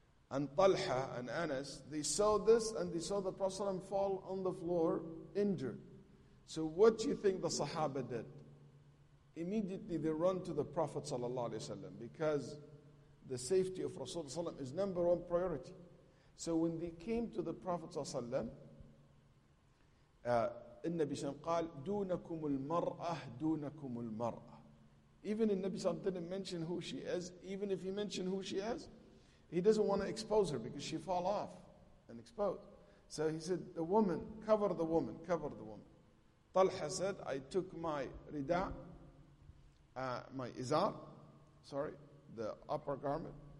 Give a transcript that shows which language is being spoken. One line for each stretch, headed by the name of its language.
English: And Talha and Anas, they saw this and they saw the Prophet ﷺ fall on the floor injured. So what do you think the Sahaba did? Immediately they run to the Prophet ﷺ, because the safety of Rasulullah ﷺ is number one priority. So when they came to the Prophet ﷺ,
Arabic: النبي صلى الله عليه وسلم قال دونكم المرأة دونكم المرأة.
English: Even the Nabi صلى الله عليه وسلم didn't mention who she is. Even if he mentioned who she is, he doesn't want to expose her because she fall off and expose. So he said, the woman, cover the woman, cover the woman. Talha said, I took my rida, my izar, sorry, the upper garment.